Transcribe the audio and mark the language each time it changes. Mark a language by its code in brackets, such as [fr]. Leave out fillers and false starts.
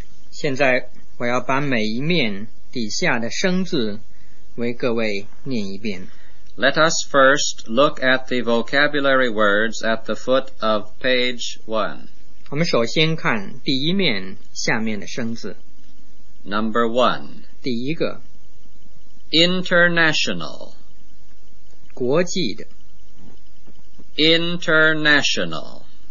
[zh] 现在我要把每一面底下的生字为各位念一遍。 [en] Let us first look at the vocabulary words at the foot of page 1. [zh] 我们首先看第一面下面的生字。 [en] Number 1. [zh] 第一个。 [en] International. [zh] 国际的。 [en] International.